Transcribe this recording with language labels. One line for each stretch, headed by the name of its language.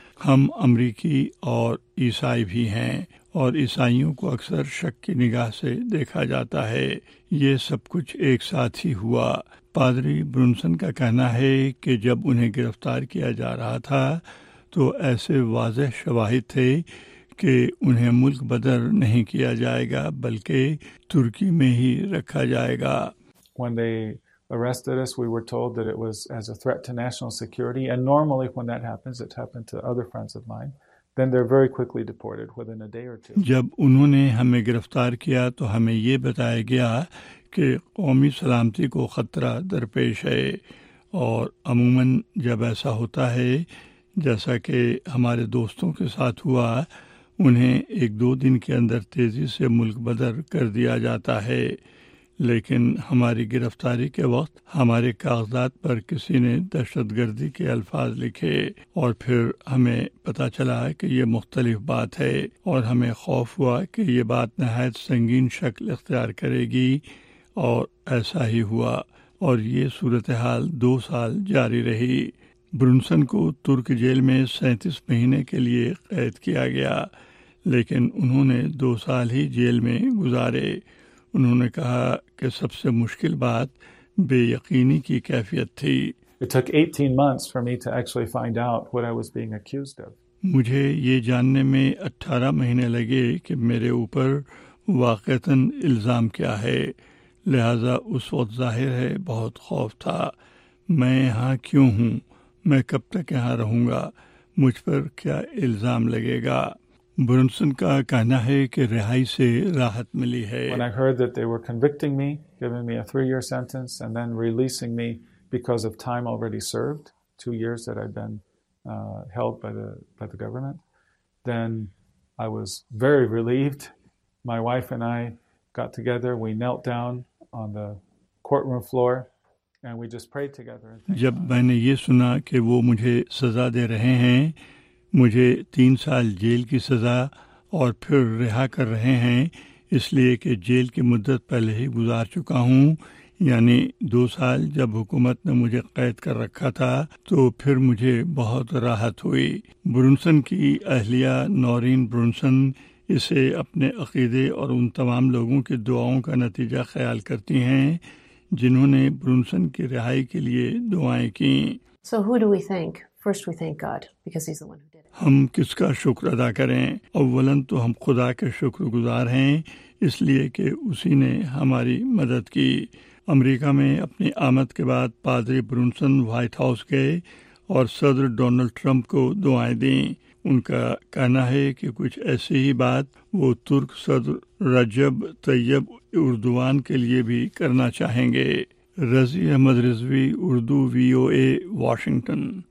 Urdu: ہم امریکی اور عیسائی بھی ہیں اور عیسائیوں کو اکثر شک کی نگاہ سے دیکھا جاتا ہے, یہ سب کچھ ایک ساتھ ہی ہوا. پادری برنسن کا کہنا ہے کہ جب انہیں گرفتار کیا جا رہا تھا تو ایسے واضح شواہد تھے کہ انہیں ملک بدر نہیں کیا جائے گا بلکہ ترکی میں ہی رکھا جائے گا.
English: Arrested us, we were told that it was as a threat to national security, and normally when that happens, it happened to other friends of mine, then they're very quickly deported within a day or two.
Urdu: جب انہوں نے ہمیں گرفتار کیا تو ہمیں یہ بتایا گیا کہ قومی سلامتی کو خطرہ درپیش ہے, اور عموماً جب ایسا ہوتا ہے جیسا کہ ہمارے دوستوں کے ساتھ ہوا, انہیں ایک دو دن کے اندر تیزی سے ملک بدر کر دیا جاتا ہے، لیکن ہماری گرفتاری کے وقت ہمارے کاغذات پر کسی نے دہشت گردی کے الفاظ لکھے اور پھر ہمیں پتہ چلا کہ یہ مختلف بات ہے، اور ہمیں خوف ہوا کہ یہ بات نہایت سنگین شکل اختیار کرے گی، اور ایسا ہی ہوا اور یہ صورتحال دو سال جاری رہی۔ برنسن کو ترک جیل میں 37 مہینے کے لیے قید کیا گیا، لیکن انہوں نے دو سال ہی جیل میں گزارے۔ انہوں نے کہا کہ سب سے مشکل بات بے یقینی کی کیفیت تھی۔
English: It took 18 months for me to actually find out what I was being accused of.
Urdu: مجھے یہ جاننے میں 18 مہینے لگے کہ میرے اوپر واقعتاً الزام کیا ہے، لہذا اس وقت ظاہر ہے بہت خوف تھا۔ میں یہاں کیوں ہوں؟ میں کب تک یہاں رہوں گا؟ مجھ پر کیا الزام لگے گا؟ برنسن کا کہنا ہے کہ رہائی سے راحت ملی ہے۔
English: When I heard that they were convicting me, giving me a 3-year sentence and then releasing me because of time already served, 2 years that I'd been held by the government, then I was very relieved. My wife and I got together, we knelt down on the courtroom floor and we just prayed together.
Urdu: جب میں نے یہ سنا کہ وہ مجھے سزا دے رہے ہیں، مجھے 3 سال جیل کی سزا اور پھر رہا کر رہے ہیں، اس لیے کہ جیل کی مدت پہلے ہی گزار چکا ہوں، یعنی 2 سال جب حکومت نے مجھے قید کر رکھا تھا، تو پھر مجھے بہت راحت ہوئی۔ برنسن کی اہلیہ نورین برنسن اسے اپنے عقیدے اور ان تمام لوگوں کی دعاؤں کا نتیجہ خیال کرتی ہیں جنہوں نے برنسن کی رہائی کے لیے دعائیں کیں۔
English: So who do we think? First we thank God because he's the one who did it.
Urdu: ہم کس کا شکر ادا کریں؟ اولاً تو ہم خدا کے شکر گزار ہیں، اس لیے کہ اسی نے ہماری مدد کی۔ امریکہ میں اپنی آمد کے بعد پادری برنسن وائٹ ہاؤس گئے اور صدر ڈونلڈ ٹرمپ کو دعائیں دیں۔ ان کا کہنا ہے کہ کچھ ایسی ہی بات وہ ترک صدر رجب طیب اردوان کے لیے بھی کرنا چاہیں گے۔ رضی احمد رضوی، اردو وی او اے، واشنگٹن۔